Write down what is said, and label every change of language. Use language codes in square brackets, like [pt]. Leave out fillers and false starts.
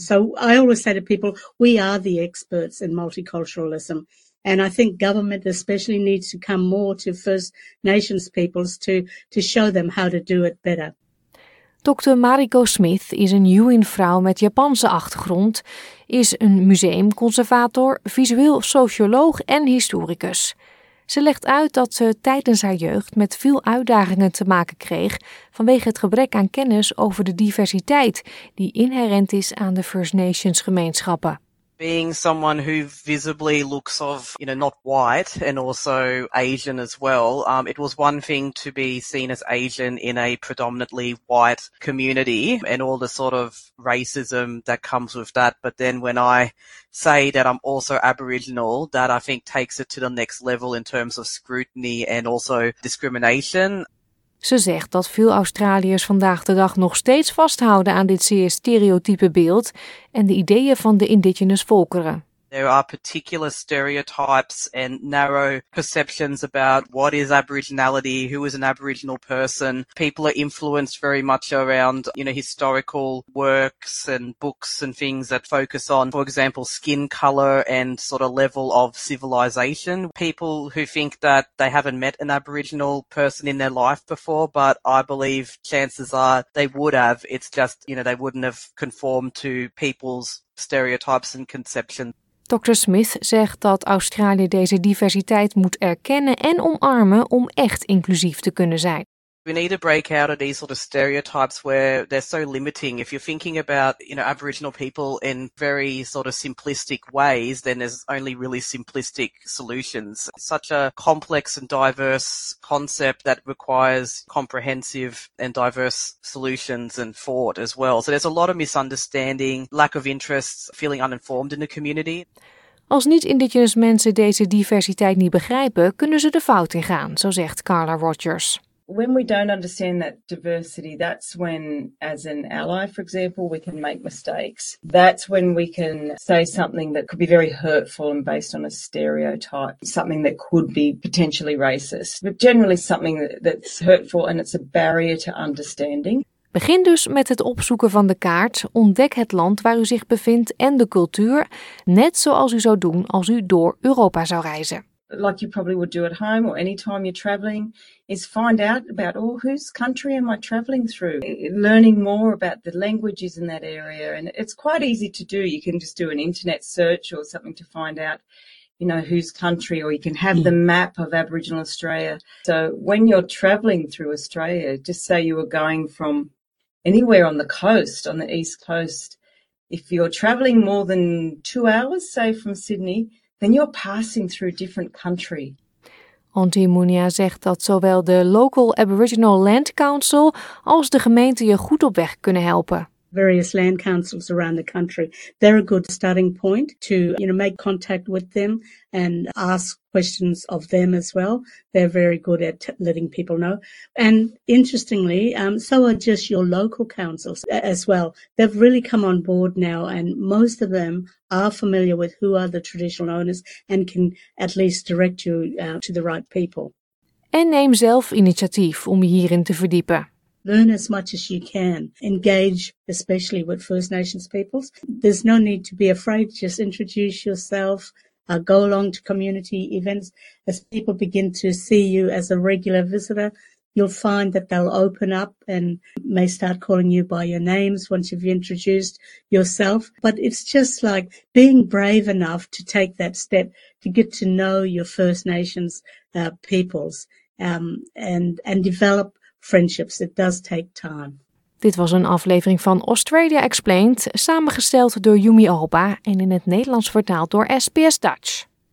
[en] So I always say to people, we are the experts in multiculturalism. And I think government especially needs to come more to First Nations peoples to show them how to do it better. [nl] Dr. Mariko Smith is een Yuin-vrouw met Japanse achtergrond, is een museumconservator, visueel socioloog en historicus. Ze legt uit dat ze tijdens haar jeugd met veel uitdagingen te maken kreeg vanwege het gebrek aan kennis over de diversiteit die inherent is aan de First Nations gemeenschappen. [en] Being someone who visibly looks of, you know, not white and also Asian as well, it was one thing to be seen as Asian in a predominantly white community and all the sort of racism that comes with that. But then when I say that I'm also Aboriginal, that I think takes it to the next level in terms of scrutiny and also discrimination. [nl] Ze zegt dat veel Australiërs vandaag de dag nog steeds vasthouden aan dit zeer stereotype beeld en de ideeën van de indigenous volkeren. [en] There are particular stereotypes and narrow perceptions about what is Aboriginality, who is an Aboriginal person. People are influenced very much around, you know, historical works and books and things that focus on, for example, skin colour and sort of level of civilization. People who think that they haven't met an Aboriginal person in their life before, but I believe chances are they would have. It's just, you know, they wouldn't have conformed to people's stereotypes and conceptions. [nl] Dr. Smith zegt dat Australië deze diversiteit moet erkennen en omarmen om echt inclusief te kunnen zijn. [en] We need to break out of these sort of stereotypes where they're so limiting. If you're thinking about, you know, Aboriginal people in very sort of simplistic ways, then there's only really simplistic solutions. Such a complex and diverse concept that requires comprehensive and diverse solutions and thought as well. So there's a lot of misunderstanding, lack of interest, feeling uninformed in the community. [nl] Als niet-Indigenous mensen deze diversiteit niet begrijpen, kunnen ze de fout ingaan, zo zegt Carla Rogers. [en] When we don't understand that diversity, that's when, as an ally, for example, we can make mistakes. That's when we can say something that could be very hurtful and based on a stereotype, something that could be potentially racist, but generally something that's hurtful and it's a barrier to understanding. [nl] Begin dus met het opzoeken van de kaart, ontdek het land waar u zich bevindt en de cultuur, net zoals u zou doen als u door Europa zou reizen. [en] Like you probably would do at home or any time you're traveling, is find out about, oh, whose country am I traveling through? Learning more about the languages in that area. And it's quite easy to do. You can just do an internet search or something to find out you know, whose country, or you can have the map of Aboriginal Australia. So when you're travelling through Australia, just say you were going from anywhere on the coast, on the east coast, if you're travelling more than 2 hours, say, from Sydney, then you're passing through a different country. [nl] Auntie Munia zegt dat zowel de Local Aboriginal Land Council als de gemeente je goed op weg kunnen helpen. [en] Various land councils around the country. They're a good starting point to, you know, make contact with them and ask questions of them as well. They're very good at letting people know. And interestingly, so are just your local councils as well. They've really come on board now, and most of them are familiar with who are the traditional owners and can at least direct you to the right people. [nl] En neem zelf initiatief om je hierin te verdiepen. [en] Learn as much as you can. Engage especially with First Nations peoples. There's no need to be afraid. Just introduce yourself. Go along to community events. As people begin to see you as a regular visitor, you'll find that they'll open up and may start calling you by your names once you've introduced yourself. But it's just like being brave enough to take that step to get to know your First Nations peoples and develop friendships. It does take time. [nl] Dit was een aflevering van Australia Explained, samengesteld door Yumi Alba en in het Nederlands vertaald door SBS Dutch.